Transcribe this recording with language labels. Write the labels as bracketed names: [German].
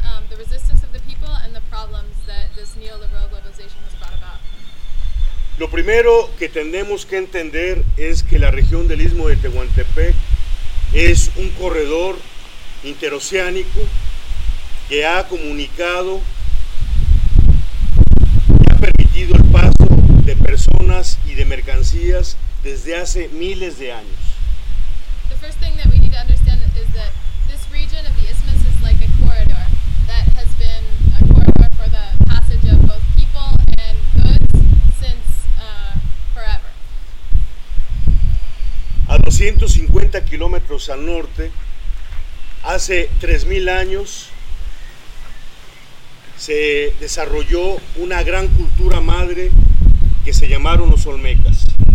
[English] The resistance of the people and the problems that this neoliberal globalization has brought about. [Spanish] Lo primero que tenemos que entender es que la región del Istmo de Tehuantepec es un corredor interoceánico que ha comunicado y ha permitido el paso de personas y de mercancías desde hace miles de años. [English] The first thing that we need to understand is that this region of the Isthmus is like a corridor that has been a corridor for the passage of both people and goods since forever. [Spanish] A 250 kilómetros al norte, hace 3,000 años, se desarrolló una gran cultura madre que se llamaron los Olmecas.